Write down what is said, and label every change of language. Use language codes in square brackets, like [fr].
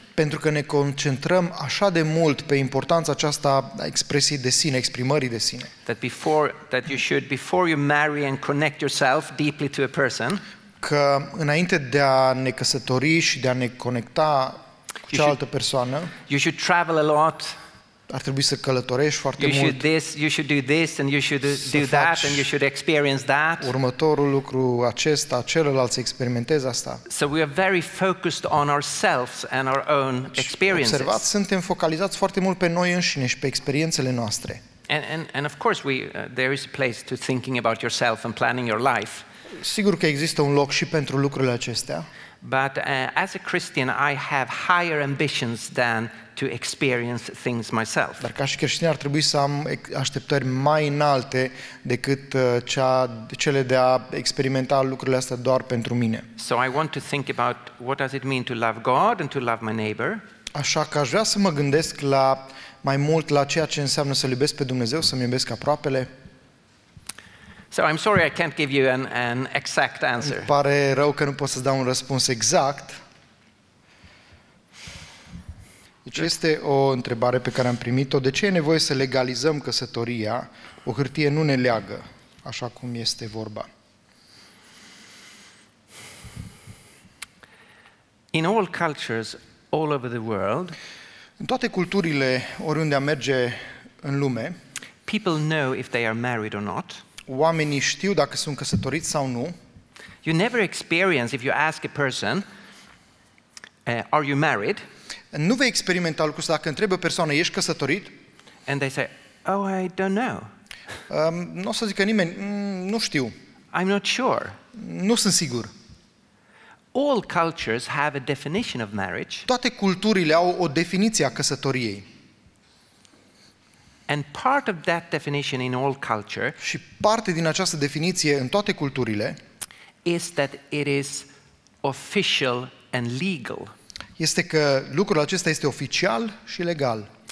[ro] Pentru că ne concentrăm așa de mult pe importanța aceasta a expresiei de sine, exprimării de sine. [en] That before you marry and connect yourself deeply to a person. [ro] Că înainte de a ne căsători și de a ne conecta cu cealaltă persoană. [en] You should travel a lot. [ro] Ar trebui să călătorești foarte mult. [en] You should do this and you should experience that. [ro] Următorul lucru acesta, celălalt, să experimentezi asta. [en] So we are very focused on ourselves and our own experiences. [ro] Observați, suntem focalizați foarte mult pe noi înșine și pe experiențele noastre. [en] And of course there is a place to thinking about yourself and planning your life. [ro] Sigur că există un loc și pentru lucrurile acestea. [en] But as a Christian I have higher ambitions than to experience things myself. [ro] Dar ca și creștin ar trebui să am așteptări mai înalte decât cele de a experimenta lucrurile astea doar pentru mine. [en] So I want to think about what does it mean to love God and to love my neighbor. [ro] Așa că aș vrea să mă gândesc la mai mult la ceea ce înseamnă să iubesc pe Dumnezeu, să-mi iubesc aproapele. [en] So I'm sorry I can't give you an exact answer. [ro] Îmi pare rău că nu pot să-ți dau un răspuns exact. Deci este o întrebare pe care am primit-o. De ce e nevoie să legalizăm căsătoria? O hârtie nu ne leagă, așa cum este vorba. [en] In all cultures all over the world, [ro] În toate culturile, oriunde am merge în lume, [en] people know if they are married or not. [ro] Oamenii știu dacă sunt căsătoriți sau nu. [en] You never experience if you ask a person, are you married? [ro] Nu vei experimenta lucrul ăsta dacă întrebi o persoană, ești căsătorit? [en] And they say, oh, I don't know. [ro] N-o să zică nimeni, nu știu. [en] I'm not sure. [ro] Nu sunt sigur. [en] All cultures have a definition of marriage. [ro] Toate culturile au o definiție a căsătoriei. [en] And part of that definition in all culture. [ro] Și parte din această definiție în toate culturile [en] is that it is official and legal. [ro] Este că lucrul acesta este oficial și legal.